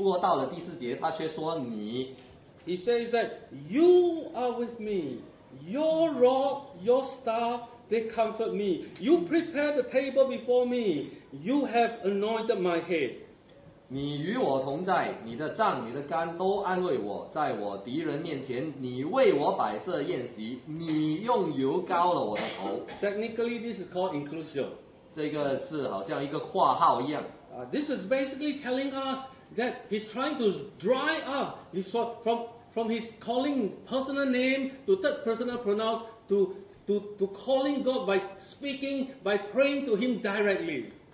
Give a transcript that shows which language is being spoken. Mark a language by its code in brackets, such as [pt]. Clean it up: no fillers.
[zh] 他开始称神为耶和华，然后他说他就是第三人称呼，不过到了第四节，他却说你。 [en] He says that you are with me. Your rod, your staff, they comfort me. You prepare the table before me. You have anointed my head. [zh] 你与我同在，你的杖、你的竿都安慰我，在我敌人面前，你为我摆设宴席，你用油膏了我的头。 [en] Technically, this is called inclusive. [zh] 这个是好像一个括号一样。 [en] This is basically telling us that he's trying to dry up his from his calling personal name to third personal pronouns to calling God by speaking, by praying to him directly.